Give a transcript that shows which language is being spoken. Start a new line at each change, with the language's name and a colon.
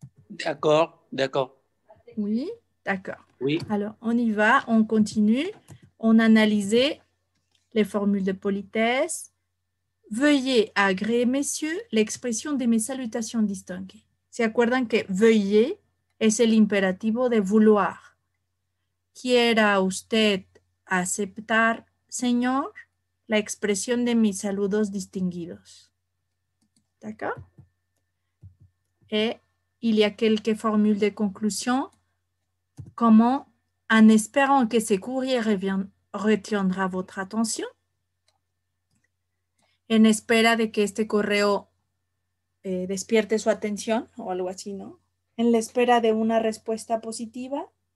French: D'accord, d'accord. Oui, d'accord. Oui. Alors, on y va, on continue. On analysait les formules de politesse. Veuillez agréer, messieurs, l'expression de mes salutations distinguées.
Spanish: ¿Se acuerdan que veuillez es el imperativo de vouloir? ¿Quiera usted aceptar, señor, la expresión de mis saludos distinguidos?
French: ¿D'accord? Et il y a quelques formules de conclusion. Comment, en espérant que ce courrier revienne, retiendra votre attention.
Spanish: En espera de que este correo despierte su atención o algo así, ¿no? En la espera de una respuesta positiva.